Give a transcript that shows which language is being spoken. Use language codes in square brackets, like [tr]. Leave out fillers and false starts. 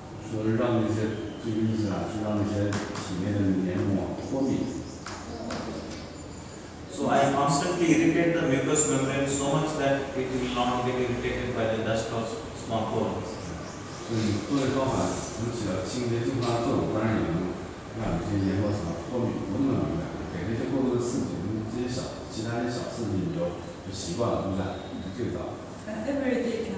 [zh] 就是让那些这个意思啊，是让那些体内的黏膜脱敏。So [en] I constantly irritate the mucous membrane so much that it will not get irritated by the dust or small pollens. [zh] 所以做这方法能起到轻微净化作用，当然也能让这些黏膜层脱敏，能不能改变这过多的刺激，这些小其他的小刺激你就习惯了，对不对？就到。